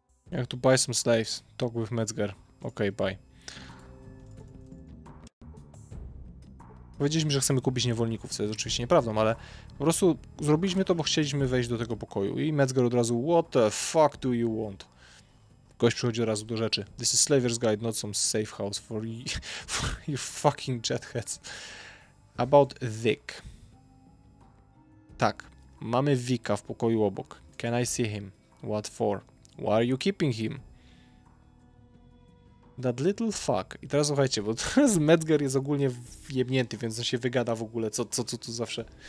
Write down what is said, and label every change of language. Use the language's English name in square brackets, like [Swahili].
[English] Jak tu buy some slaves, talk with Metzger. Okej, okay, bye. [Polish] Powiedzieliśmy, że chcemy kupić niewolników, co jest oczywiście nieprawdą, ale po prostu zrobiliśmy to, bo chcieliśmy wejść do tego pokoju. I Metzger od razu, [English] what the fuck do you want? [Polish] Gość przychodzi od razu do rzeczy. [English] This is Slaver's Guide, not some safe house for you fucking jetheads. About Vic. [Polish] Tak, mamy Vika w pokoju obok. [English] Can I see him? What for? Why are you keeping him? That little fuck. [Polish] I teraz słuchajcie, bo teraz Metzger jest ogólnie wjebnięty, więc on się wygada w ogóle, co tu zawsze.